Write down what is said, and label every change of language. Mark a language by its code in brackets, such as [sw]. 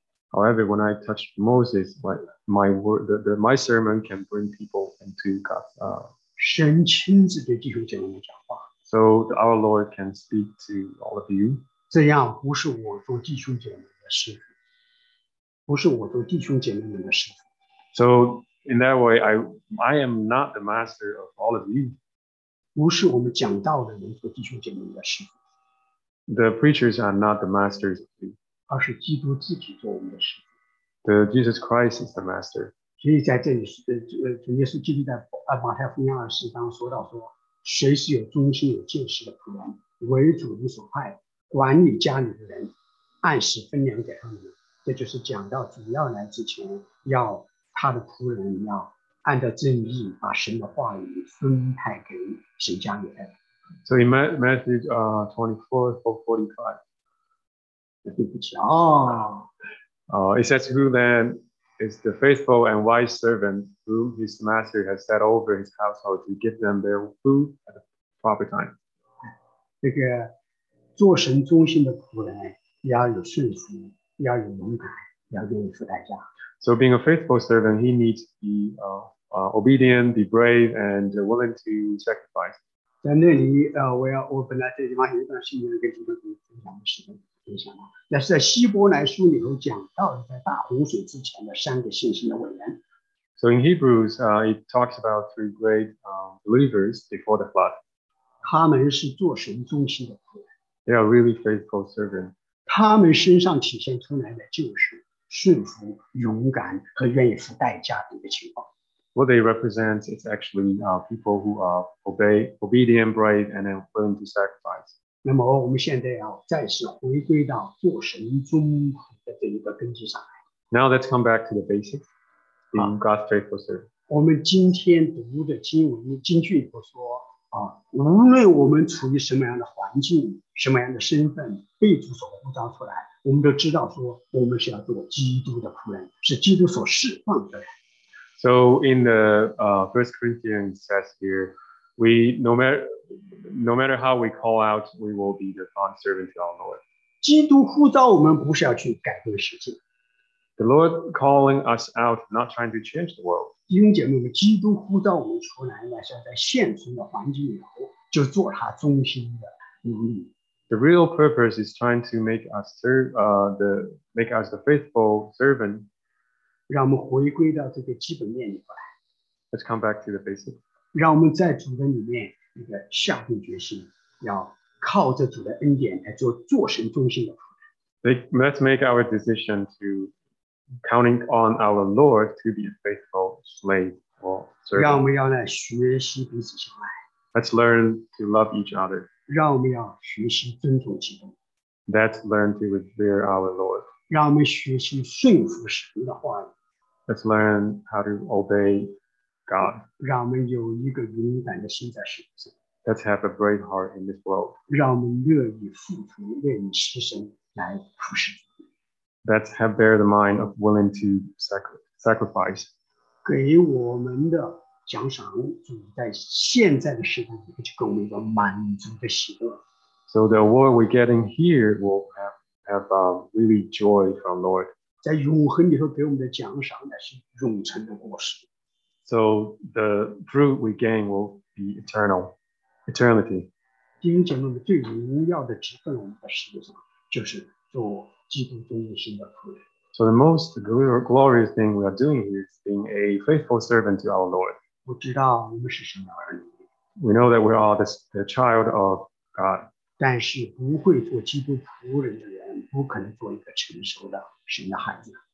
[en] However, when I touched Moses, my sermon can bring people into God. [zh] 神亲自对弟兄姐妹们讲话。 [en] So our Lord can speak to all of you. [zh] 这样不是我做弟兄姐妹的事，不是我做弟兄姐妹们的事。 [en] So in that way, I am not the master of all of you. [zh] 不是我们讲道的人做弟兄姐妹的事。 [en] The preachers are not the masters of you. [zh] 而是基督自己做我们的事。 [en] The Jesus Christ is the master. [zh] 所以在这里，主耶稣基督在马太福音20章说到说，谁是有忠心有见识的仆人，为主人所派，管理家里的人，按时分粮给他们。这就是讲到主要来之前，要他的仆人要按照正义，把神的话语分派给神家里的。 [en] So in Matthew 24:45, [zh] 对不起啊。 [en] It says, who then is the faithful and wise servant whom his master has set over his household to give them their food at the proper time? [zh] 这个做神忠心的仆人要有顺服，要有勇敢，要愿意付代价。 [en] So being a faithful servant, he needs to be obedient, be brave, and willing to sacrifice. [zh] 在那里，我本来这地方有一段信息跟你们分享的时候。那是在希伯来书里头讲到在大洪水之前的三个信心的伟人。 [en] So in Hebrews, it talks about three great believers before the flood. [zh] 他们是做神忠心的仆人。 [en] They are really faithful servants. [zh] 他们身上体现出来的就是顺服、勇敢和愿意付代价的一个情况。 [en] What they represent is actually people who are obedient, brave, and willing to sacrifice. [zh] 那么我们现在要再次回归到做神忠仆的这一个根基上来。 [en] Now let's come back to the basics. In God's faithful servant. [zh] 我们今天读的经文经句里头说啊，无论我们处于什么样的环境，什么样的身份，被主所呼召出来，我们都知道说，我们是要做基督的仆人，是基督所释放的人。 [en] So in the First Corinthians says here, we no matter how we call out, we will be the bond servant to our Lord. [zh] 基督呼召我们不是要去改变世界。 [en] The Lord calling us out, not trying to change the world. [zh] 弟兄姐妹们，基督呼召我们出来，那是要在现存的环境里头，就做他忠心的奴隶。 [en] The real purpose is trying to make us make us the faithful servant. [zh] 让我们回归到这个基本面里头来。 [en] Let's come back to the basics. [zh] 让我们在主的里面。一个下定决心，要靠着主的恩典来做做神忠心的仆人。 [en] Let's make our decision to counting on our Lord to be a faithful slave or servant. [zh] 让我们要来学习彼此相爱。 [en] Let's learn to love each other. [zh] 让我们要学习尊重基督。 [en] Let's learn to revere our Lord. [zh] 让我们学习顺服神的话语。 [en] Let's learn how to obey. God. [zh] 让我们有一个勇敢的心在世上。 [en] Let's have a brave heart in this world. [zh] 让我们乐意付出，愿意牺牲来服侍。 [en] Let's have bear the mind of willing to sacrifice. [zh] 给我们的奖赏，主在现在的时代里面就给我们一个满足的喜乐。 [en] So the award we're getting here will have a really joy from Lord. [zh] 在永恒里头给我们的奖赏乃是永存的果实。 [en] So the fruit we gain will be eternal, eternity. [zh] 弟兄姐妹们，最荣耀的职分我们在世界上就是做基督忠心的仆人。 [en] So the most glorious thing we are doing here is being a faithful servant to our Lord. [zh] 我知道我们是神的儿女。 [en] We know that we are the child of God. [zh] 但是不会做基督仆人的人，不可能做一个成熟的神的孩子。